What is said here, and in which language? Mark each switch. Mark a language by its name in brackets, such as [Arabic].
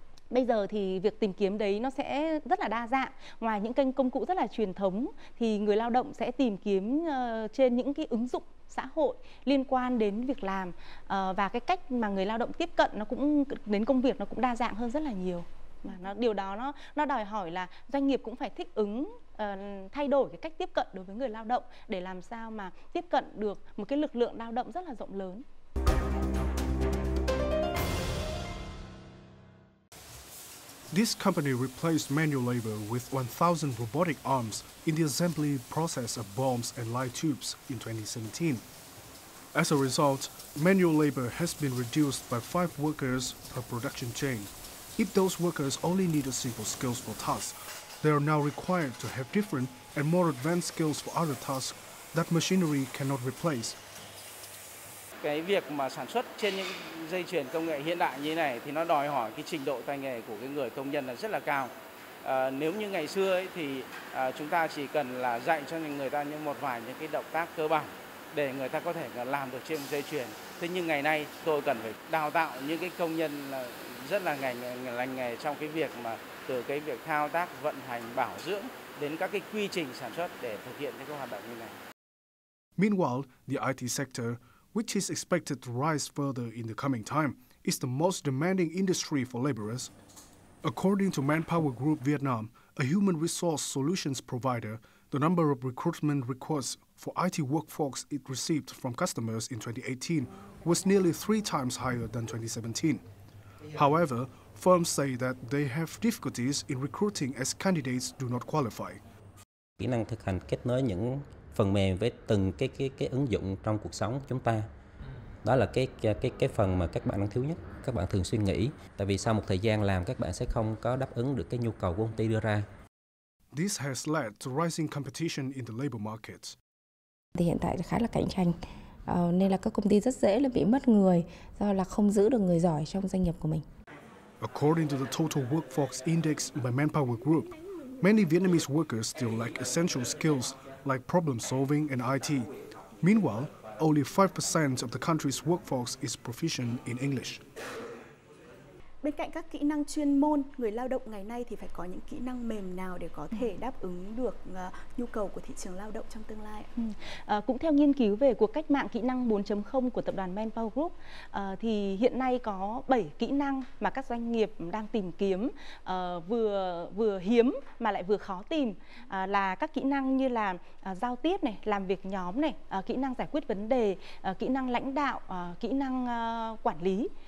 [Vietnamese] Bây giờ thì việc tìm kiếm đấy nó sẽ rất là đa dạng. Ngoài những kênh công cụ rất là truyền thống thì người lao động sẽ tìm kiếm trên những cái ứng dụng xã hội liên quan đến việc làm, và cái cách mà người lao động tiếp cận nó cũng đến công việc nó cũng đa dạng hơn rất là nhiều. Mà điều đó nó đòi hỏi là doanh nghiệp cũng phải thích ứng, thay đổi cái cách tiếp cận đối với người lao động để làm sao mà tiếp cận được một cái lực lượng lao động rất là rộng lớn. [English] This company replaced manual labor with 1,000 robotic arms in the assembly process of bombs and light tubes in 2017. As a result, manual labor has been reduced by 5 workers per production chain. If those workers only need a simple skills for tasks, they are now required to have different and more advanced skills for other tasks that machinery cannot replace. [Vietnamese] Cái việc mà sản xuất trên những dây chuyền công nghệ hiện đại như này thì nó đòi hỏi cái trình độ tay nghề của cái người công nhân là rất là cao. Nếu như ngày xưa ấy thì chúng ta chỉ cần là dạy cho người ta những một vài những cái động tác cơ bản để người ta có thể làm được trên dây chuyền. Thế nhưng ngày nay tôi cần phải đào tạo những cái công nhân rất là lành nghề trong cái việc mà từ cái việc thao tác vận hành bảo dưỡng đến các cái quy trình sản xuất để thực hiện những cái hoạt động như này. [English] Meanwhile, the IT sector, which is expected to rise further in the coming time, is the most demanding industry for laborers. According to Manpower Group Vietnam, a human resource solutions provider, the number of recruitment requests for IT workforce it received from customers in 2018 was nearly 3 times higher than 2017. However, firms say that they have difficulties in recruiting as candidates do not qualify. [Vietnamese] Kỹ năng thực hành kết nối những phần mềm với từng cái ứng dụng trong cuộc sống chúng ta. Đó là cái phần mà các bạn đang thiếu nhất, các bạn thường suy nghĩ. Tại vì sau một thời gian làm, các bạn sẽ không có đáp ứng được cái nhu cầu của công ty đưa ra. [English] This has led to rising competition in the labor market. [Vietnamese] Thì hiện tại khá là cạnh tranh, nên là các công ty rất dễ là bị mất người do là không giữ được người giỏi trong doanh nghiệp của mình. [English] According to the Total Workforce Index by Manpower Group, many Vietnamese workers still lack essential skills like problem solving and IT. Meanwhile, only 5% of the country's workforce is proficient in English. [Vietnamese] Bên cạnh các kỹ năng chuyên môn, người lao động ngày nay thì phải có những kỹ năng mềm nào để có thể đáp ứng được nhu cầu của thị trường lao động trong tương lai? Cũng theo nghiên cứu về cuộc cách mạng kỹ năng 4.0 của tập đoàn Manpower Group, thì hiện nay có 7 kỹ năng mà các doanh nghiệp đang tìm kiếm, vừa hiếm mà lại vừa khó tìm, là các kỹ năng như là giao tiếp này, làm việc nhóm này, kỹ năng giải quyết vấn đề, kỹ năng lãnh đạo, kỹ năng quản lý.